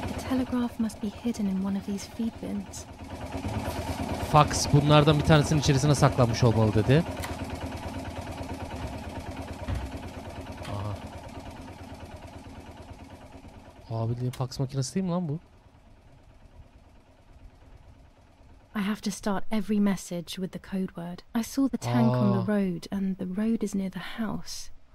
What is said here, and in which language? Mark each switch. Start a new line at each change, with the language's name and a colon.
English: Telegraph must be hidden in one of these feed bins.
Turkish: Fox bunlardan bir tanesinin içerisine saklanmış olmalı dedi. Aha. Abi bildiğin fax makinesi değil mi lan bu?
English: I have to start every message with the code word. I saw the tank on the road and the road is near the house.